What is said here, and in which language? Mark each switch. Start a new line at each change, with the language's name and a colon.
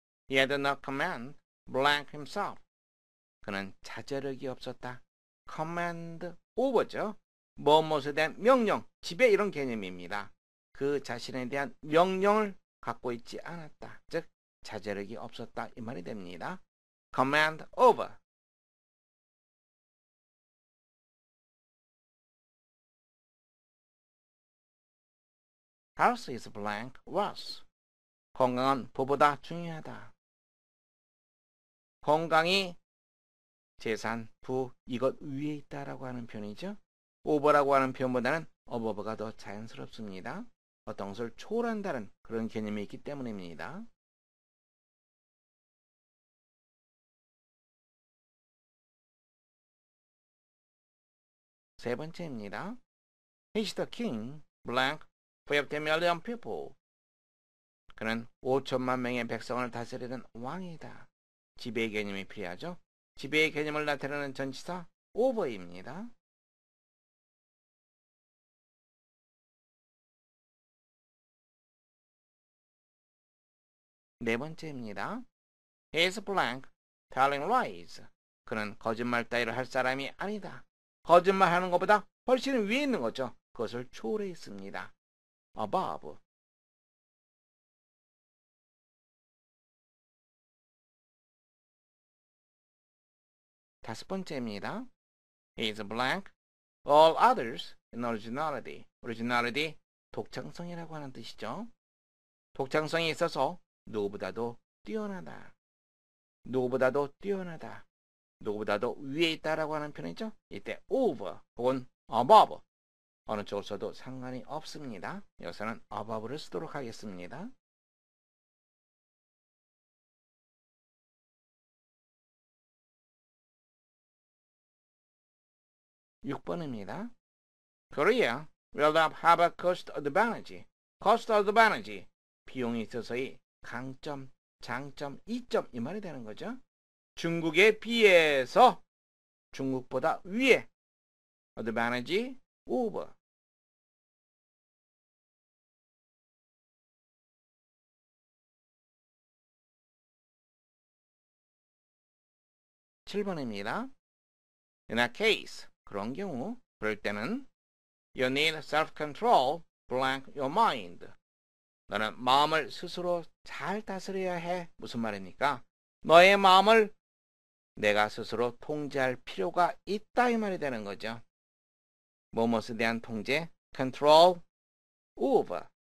English: He had no command, blank himself.
Korean: 그는 자제력이 없었다.
English: command over
Korean: 죠. 무엇에 대한 명령, 지배 이런 개념입니다. 그 자신에 대한 명령을 갖고 있지 않았다. 즉, 자제력이 없었다. 이 말이 됩니다.
English: command over. 다우스 is blank was.
Korean: 건강은 부보다 중요하다. 건강이 재산, 부, 이것 위에 있다라고 하는 표현이죠. over라고 하는 표현보다는 above가 더 자연스럽습니다. 어떤 것을 초월한다는 그런 개념이 있기 때문입니다. 세 번째입니다.
English: He's the king, blank, for 10 million people.
Korean: 그는 5천만 명의 백성을 다스리는 왕이다. 지배의 개념이 필요하죠. 지배의 개념을 나타내는 전치사 over입니다. 네 번째입니다.
English: He is blank, telling lies.
Korean: 그는 거짓말 따위를 할 사람이 아니다. 거짓말하는 것보다 훨씬 위에 있는 거죠. 그것을 초월해 있습니다.
English: above.
Korean: 다섯 번째입니다.
English: He is blank. All others in originality.
Korean: Originality, 독창성이라고 하는 뜻이죠. 독창성이 있어서 누구보다도 뛰어나다. 누구보다도 뛰어나다. 누구보다도 위에 있다라고 하는 표현이죠. 이때 over 혹은 above. 어느 쪽을 써도 상관이 없습니다. 여기서는 above를 쓰도록 하겠습니다. 6번입니다.
English: Korea will not have a cost advantage. Cost advantage.
Korean: 비용이 있어서의 강점, 장점, 이점 이 말이 되는 거죠. 중국에 비해서 중국보다 위에
English: advantage over.
Korean: 7번입니다.
English: In a case.
Korean: 그런 경우, 그럴 때는
English: You need self-control, blank your mind.
Korean: 너는 마음을 스스로 잘 다스려야 해. 무슨 말입니까? 너의 마음을 내가 스스로 통제할 필요가 있다. 이 말이 되는 거죠. 무엇에 대한 통제?
English: Control over.